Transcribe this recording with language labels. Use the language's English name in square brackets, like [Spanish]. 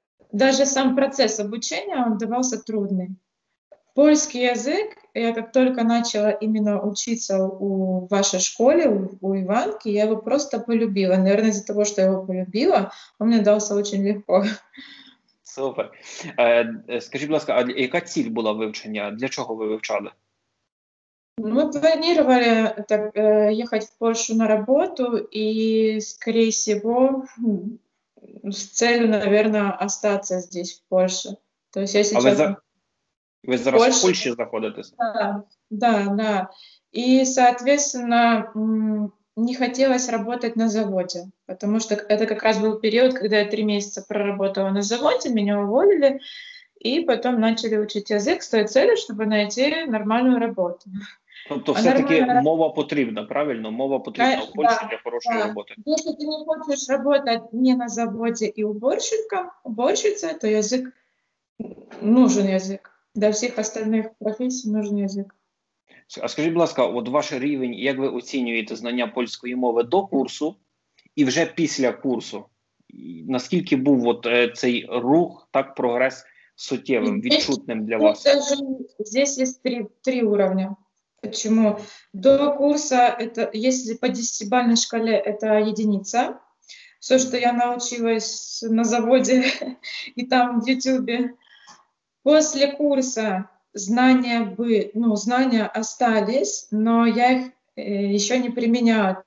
[Russian] Даже сам процесс обучения, он давался трудный. Польский язык, я как только начала именно учиться у вашей школе, у Иванки, я его просто полюбила. Наверное, из-за того, что я его полюбила, он мне дался очень легко. [Ukrainian] Супер. Скажіть, будь ласка, а яка ціль була вивчення? Для чого ви вивчали? [Russian] Мы планировали так, ехать в Польшу на работу и, скорее всего, с целью, наверное, остаться здесь, в Польше. То есть я сейчас... Вы зараз в Польше находитесь? Да. И, соответственно, не хотелось работать на заводе, потому что это как раз был период, когда я 3 месяца проработала на заводе, меня уволили, и потом начали учить язык с той целью, чтобы найти нормальную работу. [Ukrainian] Тобто все-таки мова потрібна, правильно? Мова потрібна у Польщі для хорошої роботи. Якщо ти не хочеш працювати не на заводі і уборщиця, то язик, [Russian] нужен язик. [Ukrainian] Для всіх остальних професій [Russian] нужен язик. [Ukrainian] А скажіть, будь ласка, от ваш рівень, як ви оцінюєте знання польської мови до курсу і вже після курсу? Наскільки був от цей рух, так, прогрес суттєвим, відчутним для вас? [Russian] Здесь є три уровня. Почему? До курса, это если по 10-бальной шкале, это 1. Все, что я научилась на заводе и там в Ютубе. После курса знания остались, но я их еще не применяла.